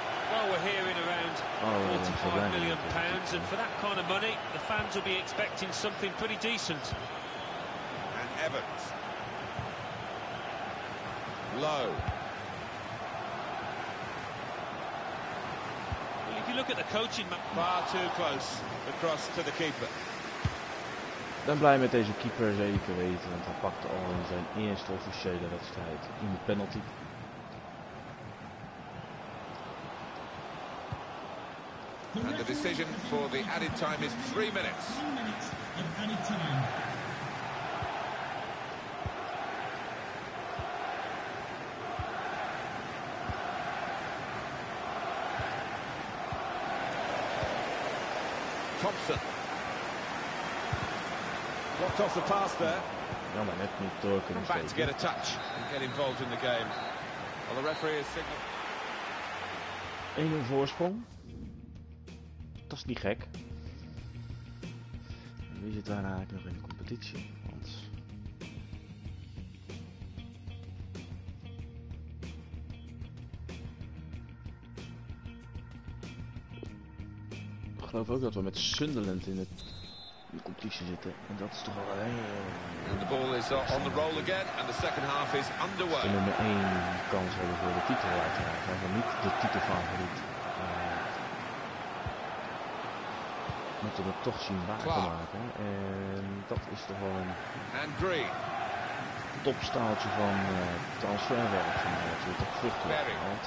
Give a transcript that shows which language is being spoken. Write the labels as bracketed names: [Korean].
[English] Well, we're hearing around £45 million, and for that kind of money, the fans will be expecting something pretty decent. And Evans. Low. Well, if you look at the coaching map, far too close across to the keeper. [Dutch] Ben blij met deze keeper, zeker weten, want hij pakte al in zijn eerste officiële wedstrijd in de penalty. [English] And the decision for the added time is 3 minutes. 3 minutes of added time. Thompson. Locked off the pass there. [Dutch] Jammer, net niet door kunnen [English] steken. Back to get a touch and get involved in the game. Well, the referee is signal. [Dutch] 1-0 voorsprong. Dat is niet gek. Wie zit daarna eigenlijk nog in de competitie? Want... ik geloof ook dat we met Sunderland in het... in de competitie zitten, en dat is toch wel [English] and the ball is on the roll again, and the second half is underway. [Dutch] Nummer 1 kans hebben voor de titel uiteraard, maar niet de titelfavoriet. Moeten we toch zien waar te maken, en dat is toch wel een... [English] And Green. [Dutch] topstaaltje van transferwerk van Arthur op Vruchtenland.